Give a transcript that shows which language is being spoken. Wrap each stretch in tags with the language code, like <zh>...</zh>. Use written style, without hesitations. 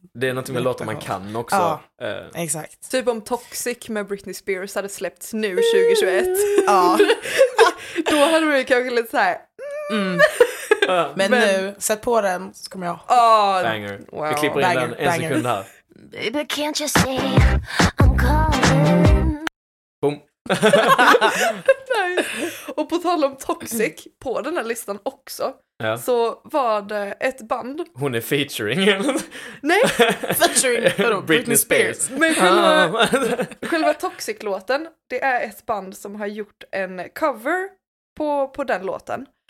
<sv>Det är något med låtar man kan också. Ja, exakt. Typ om Toxic med Britney Spears hade släppts nu 2021. Ja. Då hade man ju kanske lite så här. Men nu, sätt på den så kommer jag. Banger. Wow. Vi klipper in en sekund här.</sv> <en>Baby, can't you see I'm calling?</en> <sv>Boom. Nej. Och på tal om Toxic, på den här listan också, så var det ett band. Hon är featuring. Nej, featuring. Britney Spears. Men själva Toxic-låten, det är ett band som har gjort en cover på den låten.</sv>